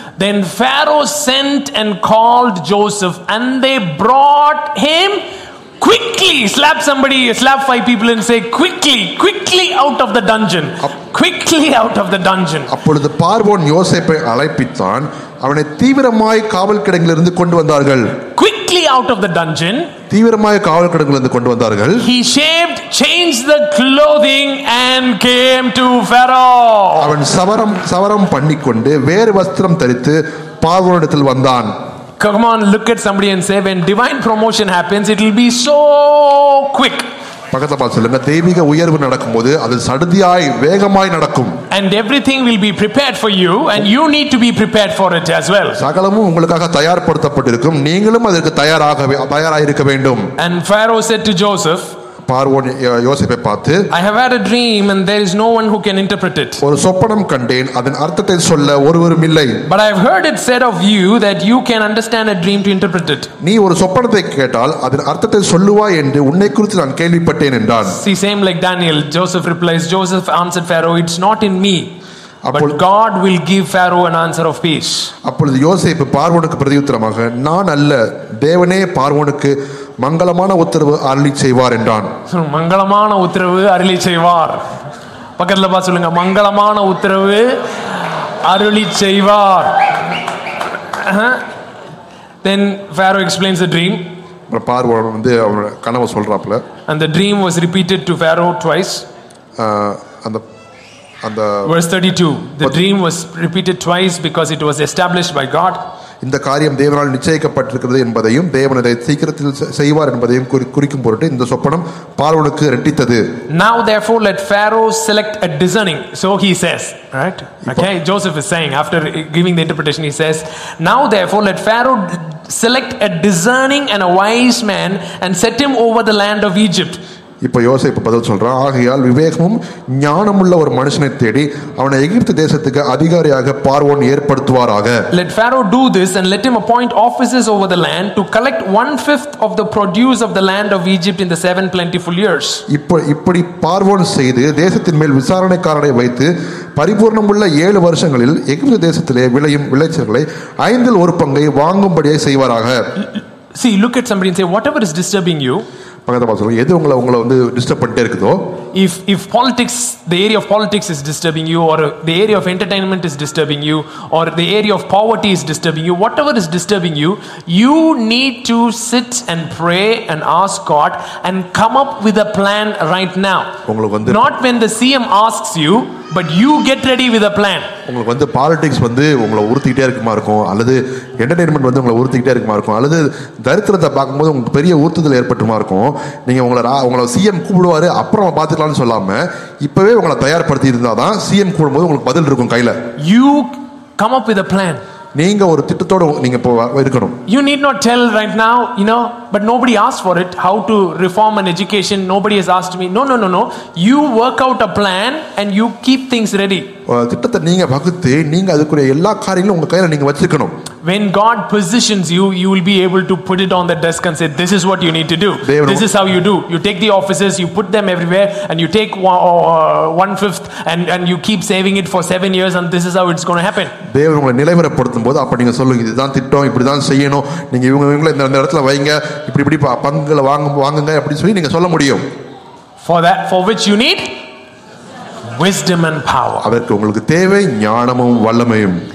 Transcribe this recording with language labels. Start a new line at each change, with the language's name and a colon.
English: Then Pharaoh sent and called Joseph, and they brought him quickly. Slap somebody, slap five people and say, quickly, quickly out of the dungeon. Quickly out of the dungeon.
Tamil: அப்பொழுது பார்வோன் யோசேப்பை அழைப்பித்தான், அவனை தீவிரமாய் காவல் கிடங்கிலிருந்து கொண்டு வந்தார்கள்.
English: Quickly out of the dungeon.
Tamil: தீவிரமாய் காவல் கிடங்கிலிருந்து கொண்டு வந்தார்கள்.
English: He shaved, changed the clothing and came to Pharaoh.
Tamil: அவன் சவரம் பண்ணிக்கொண்டு வேறு வஸ்திரம் தரித்து பார்வோனிடத்தில் வந்தான்.
English: Come on, look at somebody and say, when divine promotion happens, it will be so quick.
Tamil: பக்கத்துல பார்த்து சொல்லுங்க, தெய்வீக உயர்வு நடக்கும்போது அது சடதியாய் வேகமாய் நடக்கும்.
English: And everything will be prepared for you, and you need to be prepared for it as well.
Tamil: சகலமும் உங்களுக்காக தயார்படுத்தப்பட்டிருக்கும், நீங்களும் அதற்கு தயாராயிருக்க வேண்டும்.
English: And Pharaoh said to Joseph, I have had a dream and there is no one who can interpret it.
Tamil: ஒரு சொப்பனம் கண்டேன், அதன் அர்த்தத்தை சொல்ல ஒருவரும் இல்லை.
English: But I have heard it said of you that you can understand a dream to interpret it.
Tamil: நீ ஒரு சொப்பனத்தை கேட்டால் அதன் அர்த்தத்தை சொல்லுவாய் என்று உன்னை குறித்து நான் கேள்விப்பட்டேன் என்றான்.
English: See, same like Daniel, Joseph replies, Joseph answered Pharaoh, it's not in me. But God will give Pharaoh an answer of peace.
Tamil: அப்பொழுது யோசேப்பு பார்வோனுக்கு பிரதியுத்தரமாக, நான் அல்ல, தேவனே பார்வோனுக்கு மங்களமான உத்தரவு அருளி செய்வார் என்றான். மங்களமான உத்தரவு அருளி செய்வார், பக்கத்துல பா சொல்லுங்க, மங்களமான உத்தரவு அருளி செய்வார்.
English: Then Pharaoh explains the dream.
Tamil: பார்வோன் வந்து அவன கனவு சொல்றாப்ல.
English: And the dream was repeated to Pharaoh twice.
Tamil: அந்த அந்த
English: verse 32 the dream was repeated twice because it was established by God
Tamil: இந்த காரியம் தேவனால் நிச்சயிக்கப்பட்டிருக்கிறது என்பதையும் தேவன் அதை சீக்கிரத்தில் செய்வார் என்பதையும் குறிக்கும் பொருட்டு இந்த சொப்பனம் பார்வோனுக்கு இரட்டித்தது.
English: Now therefore let Pharaoh select a discerning. So he says, right? Okay, Joseph is saying after giving the interpretation, he says, now therefore let Pharaoh select a discerning and a wise man and set him over the land of Egypt.
Tamil: இப்போ யோசேப்பு பதில் சொல்றான், ஆகையால் விவேகமும் ஞானமுள்ள ஒரு மனுஷனை தேடி அவனை எகிப்து தேசத்துக்கு அதிகாரியாக பார்வோன் ஏற்படுத்துவாராக.
English: Let Pharaoh do this and let him appoint officers over the land to collect 1/5 of the produce of the land of Egypt in the 7 plentiful years.
Tamil: இப்படி பார்வோன் செய்து தேசத்தின் மேல் விசாரணைக்காரனை வைத்து பரிபூர்ணமுள்ள 7 வருஷங்களில் எகிப்து தேசத்திலே விளையும் விளைச்சல்களை 1/5 பங்கை வாங்கும்படியாக செய்வாராக.
English: See, look at somebody and say, whatever is disturbing you, If politics, the area of politics is disturbing you, or the area of entertainment is disturbing you, or the area of poverty is disturbing you, whatever is disturbing you, you need to sit and pray and ask God and come up with a plan right now. Not when the CM asks you, but you get ready with a plan.
Tamil: உங்களுக்கு வந்து politics வந்து உங்களை உறுத்திட்டே இருக்குமா இருக்கும், அல்லது entertainment வந்து உங்களை உறுத்திட்டே இருக்குமா இருக்கும், அல்லது தரித்திரத்தை பார்க்கும்போது உங்களுக்கு பெரிய உறுத்துதல் ஏற்பட்டுமா இருக்கும், நீங்க உங்களை சிஎம் கூப்பிடுவாரு அப்புறம் பாத்துக்கலாம்னு சொல்லாம இப்பவே உங்களை தயார்படுத்தி இருந்தாதான் சிஎம் கூப்பிடும்போது உங்களுக்கு பதில் இருக்கும் கையில.
English: You come up with a plan.
Tamil: நீங்க ஒரு திட்டத்தோட நீங்க இருக்கணும்.
English: You need not tell right now, you know, but nobody asked for it. How to reform an education, nobody has asked me. No. You work out a plan and you keep things ready.
Tamil: திட்டத்தை நீங்க பகுத்து நீங்க அதுக்குரிய எல்லா காரியங்களும் உங்க கையில நீங்க வச்சிருக்கணும்.
English: When God positions you, you will be able to put it on the desk and say, this is what you need to do. This is how you do. You take the offices, you put them everywhere, and you take 1/5 and you keep saving it for 7 years, and this is how it's going to happen.
Tamil: தேவன் உங்களை நிலைவரப்படுத்தும் போது அப்ப நீங்க சொல்லுங்க, இதுதான் திட்டம், இப்படிதான் செய்யணும், நீங்க இவங்களை இந்த இடத்துல வைங்க, இப்படி இப்படி பங்குகளை வாங்குங்க, அப்படி சொல்லி நீங்க சொல்ல முடியும்.
English: For that, for which you need wisdom and power.
Tamil: அதற்கு உங்களுக்கு தேவை ஞானமும் வல்லமையும்.